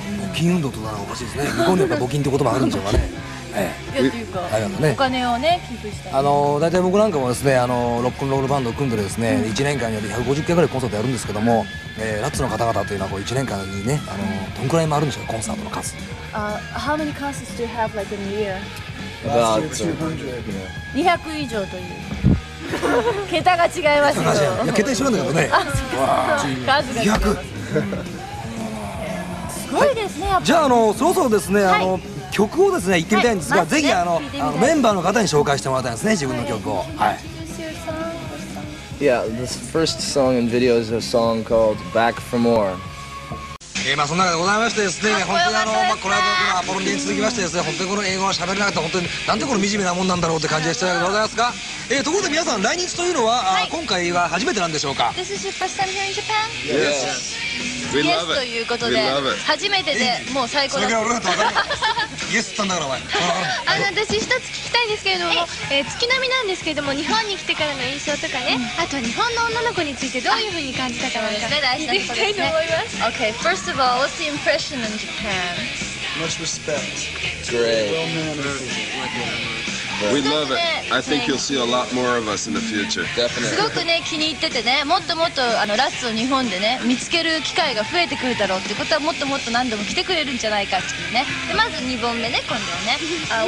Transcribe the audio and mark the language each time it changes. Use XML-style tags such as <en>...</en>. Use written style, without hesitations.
<ja>募金運動とならおかしいですね、向こうにやっぱ募金って言葉あるんでしょうかね。ええ、いやというか、ね、お金をね寄付したり、大体僕なんかもですね、ロックンロールバンドを組んでですね、うん、1年間に150件ぐらいコンサートやるんですけども、ラッツの方々というのはこう1年間にね、どんくらいもあるんでしょうか、コンサートの数。</ja> <en>How many concerts do you have like in a year? About</en> <ja>200以上という桁が違いますよ。いや桁一緒なんだけどね。あ、そうか、 200 すごいですね。ごいですね、やっぱり。じゃあ、そろそろですね、曲をですね、言ってみたいんですが、ぜひ、あのメンバーの方に紹介してもらいたいんですね、自分の曲を。はい。</ja> <en>Yeah, this first song and video is a song called Back for More.</en> <ja>まあそんなでございましてですね、本当にこの後のアポロンディに続きましてですね、本当にこの英語は喋れなくて、本当になんでこの惨めなもんなんだろうって感じがしてるわけでございますが、ところで皆さん、来日というのは、はい、今回は初めてなんでしょうか。</ja> <en>This is your first time here in Japan? Yes. We love it.</en> <ja>ということで、初めてでもう最高だ。それぐらい俺だと分かんない。Yes ったんだからお前。私一つ聞きたいんですけれども、月並みなんですけれども、日本に来てからの印象とかね、あとは日本の女の子についてどういう風に感じたかですね、大事なことですね。</ja> <en>Okay, first of all, what's the impression in Japan? Much respect. Great. We love it. I think you'll see a lot more of us in the future. Definitely.</en> <ja>すごくね、気に入っててね、もっともっとラッツを日本でね、見つける機会が増えてくるだろうってことは、もっともっと何度も来てくれるんじゃないかっていうね。で、まず2本目ね、今度はね。</ja>